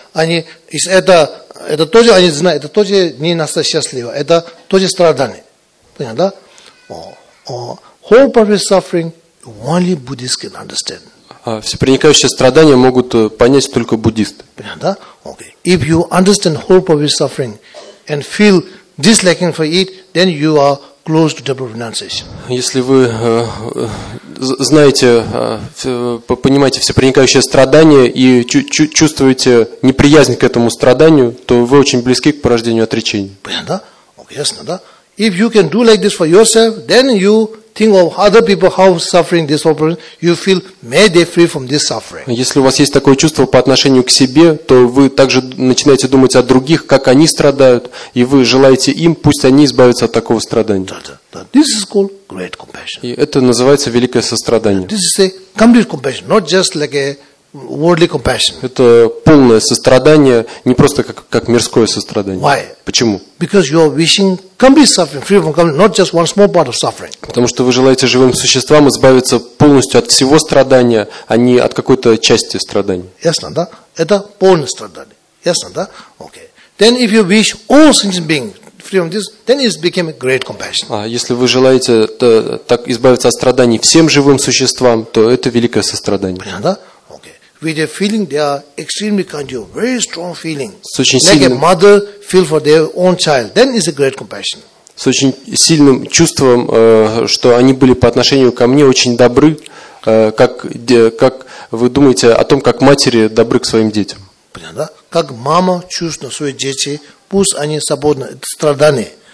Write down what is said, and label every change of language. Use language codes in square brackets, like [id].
[ru] Они из этого это тоже, они знают, это тоже не настолько счастливо, это тоже страдание. Понятно, да? [en] Whole purpose suffering only Buddhists can understand. [ru] Всепроникающие страдания могут понять только буддисты. Понятно, да? [en] Okay. If you understand whole purpose suffering and feel disliking for it, then you are close to double renunciation. [ru] Если вы знаете, понимаете всепроникающее страдание и чувствуете неприязнь к этому страданию, то вы очень близки к порождению отречения. Понятно, да? Ясно, да? [en] If you can do like this for yourself, then you think of other people how suffering this problem, you feel may they free from this suffering. [ru] Если у вас есть такое чувство по отношению к себе, то вы также начинаете думать о других, как они страдают, и вы желаете им, пусть они избавятся от такого страдания. [en] This is called great compassion. [ru] И это называется великое сострадание. [en] This is a complete compassion, not just like a worldly compassion. [ru] Это полное сострадание, не просто как мирское сострадание. [en] Why? [ru] Почему? [en] Because you are wishing complete suffering, free from complete, not just one small part of suffering. [ru] Потому что вы желаете живым существам избавиться полностью от всего страдания, а не от какой-то части страдания. Ясно, да? Это полное страдание. Ясно, да? [en] Okay. Then if you wish all sentient beings free from this, then it became a great compassion. [ru] А если вы желаете так избавиться от страданий всем живым существам, то это великое сострадание. Понятно, да? [en] With a feeling they are extremely kind of very strong feeling. [ru] С очень сильным, [en] like a mother feel for their own child. Then is a great compassion. [ru] С очень сильным чувством, что они были по отношению ко мне очень добры, как вы думаете о том, как матери добры к своим детям. Понятно, да? Как мама чувствует свои дети, пусть они свободны, страданы.